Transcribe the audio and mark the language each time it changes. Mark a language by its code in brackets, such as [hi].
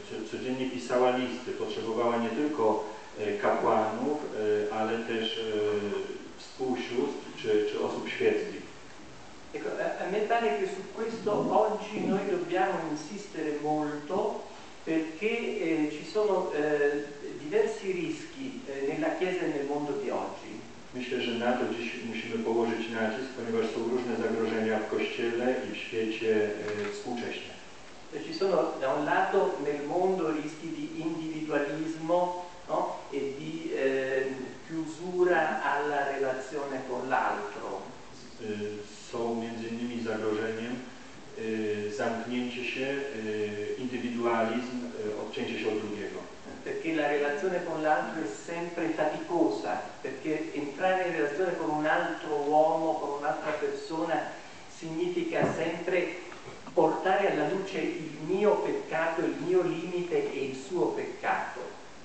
[pl] Codziennie pisała listy, potrzebowała nie tylko kapłanów, ale też współsióstr czy osób świeckich. [it] Ecco, a me pare che su questo oggi noi dobbiamo insistere molto, perché ci sono diversi rischi nella Chiesa e nel mondo di oggi. [pl] Myślę, że na to dziś musimy położyć nacisk, ponieważ są różne zagrożenia w Kościele i w świecie współcześnie. [it] Ci sono da un lato nel mondo rischi di individualismo, no? E di chiusura alla relazione con l'altro. [pl] Są między innymi zagrożeniem zamknięcie się, indywidualizm, odcięcie się od drugiego. [it] Perché la relazione con l'altro è sempre faticosa, perché entrare in relazione con un altro uomo, con un'altra persona, significa sempre portare alla luce il mio peccato, il mio limite e il suo peccato.